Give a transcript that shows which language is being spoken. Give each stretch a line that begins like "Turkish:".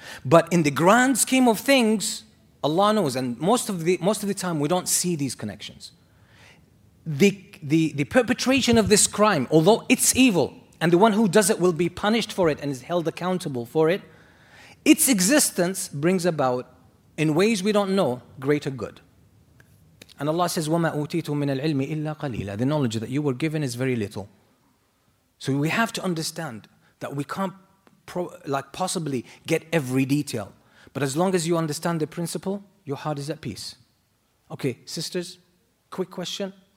English: But in the grand scheme of things, Allah knows. And most of the time, we don't see these connections. The perpetration of this crime, although it's evil, and the one who does it will be punished for it and is held accountable for it, its existence brings about, in ways we don't know, greater good. And Allah says,
Arabic: وَمَا أُوتِيتُم مِّنَ الْعِلْمِ إِلَّا قَلِيلًا.
English: The knowledge that you were given is very little. So we have to understand that we can't possibly get every detail. But as long as you understand the principle, your heart is at peace. Okay, sisters, quick question.